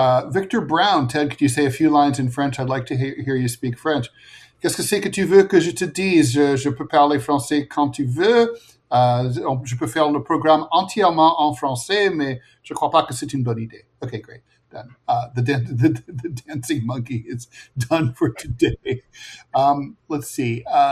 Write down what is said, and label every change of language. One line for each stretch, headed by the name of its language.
English: Victor Brown, Ted, could you say a few lines in French? I'd like to hear you speak French.
French: Qu'est-ce que c'est que tu veux que je te dise? Je peux parler français quand tu veux. Je peux faire le programme entièrement en français, mais je crois pas que c'est une bonne idée.
English: Okay, great. Done. The dancing monkey is done for today. Let's see.